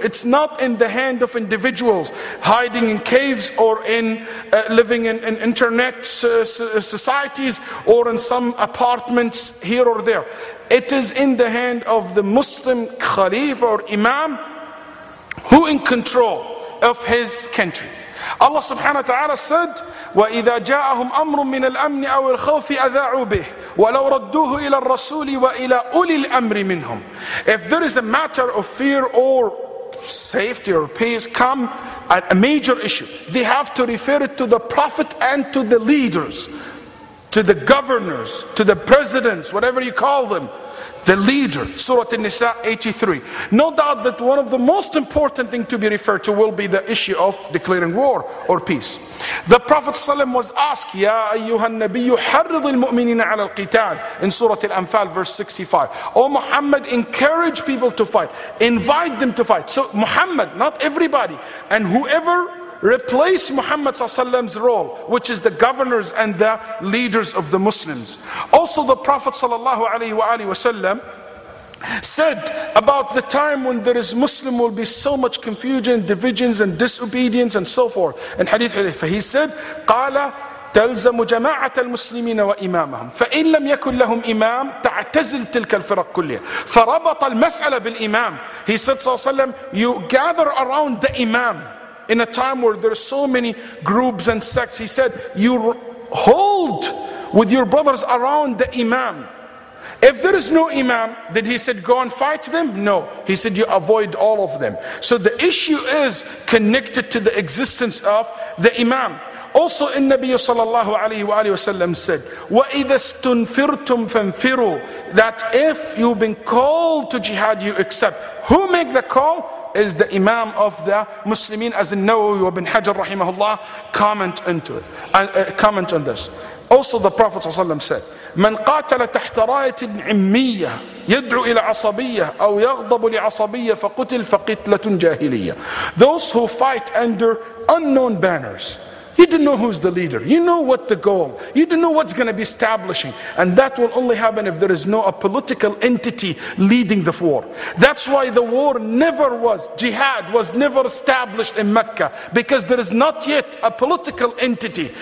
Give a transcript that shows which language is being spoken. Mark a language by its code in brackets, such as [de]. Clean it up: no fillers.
[en] It's not in the hand of individuals hiding in caves or living in internet societies or in some apartments here or there. It is in the hand of the Muslim Khalif or Imam, who in control of his country. Allah subhanahu wa ta'ala said, [ar] وَإِذَا جَاءَهُمْ أَمْرٌ مِّنَ الْأَمْنِ أَوِ الْخَوْفِ أَذَاعُوا بِهِ وَلَوْ رَدُّوهُ إِلَى الرَّسُولِ وَإِلَى أُولِي الْأَمْرِ مِنْهُمْ. [en] If there is a matter of fear or safety or peace, come a major issue, they have to refer it to the Prophet and to the leaders, to the governors, to the presidents, whatever you call them, the leader. Surah An-Nisa 83. No doubt that one of the most important thing to be referred to will be the issue of declaring war or peace. The Prophet ﷺ was asked, [ar] Ya ayyuha nabiyyu harrid al-mu'minina ala al-qital, [en] in Surah Al-Anfal verse 65. O Muhammad, encourage people to fight. Invite them to fight. So Muhammad, not everybody, and whoever replace Muhammad ﷺ's role, which is the governors and the leaders of the Muslims. Also, the Prophet ﷺ said about the time when there is Muslim will be so much confusion, divisions, and disobedience, and so forth. In Hadith Hudhayfah, he said, [ar] "Qala تلزم جماعة المسلمين وإمامهم فإن لم يكن لهم إمام تعتزل تلك الفرق كلها فربط المسألة بالإمام." [en] He said, ﷺ, "You gather around the Imam." In a time where there are so many groups and sects, he said, you hold with your brothers around the imam. If there is no imam, did he said go and fight them? No. He said you avoid all of them. So the issue is connected to the existence of the imam. Also in Nabi sallallahu alayhi wa sallam said, [ar] وَإِذَا اسْتُنْفِرْتُمْ فَانْفِرُوا, [en] that if you've been called to jihad, you accept. Who make the call? Is the imam of the Muslimin, as in Nawawi wa bin Hajar rahimahullah, comment into it. Comment on this. Also the Prophet sallallahu alayhi wa sallam said, [ar] من قاتل تحت راية عمية يدعو إلى عصبية أو يغضب لعصبية فقتل فقتلة جاهلية. [en] Those who fight under unknown banners, you don't know who's the leader, you know what the goal, you don't know what's going to be establishing, and that will only happen if there is no a political entity leading the war. That's why the war never was, jihad was never established in Mecca, because there is not yet a political entity.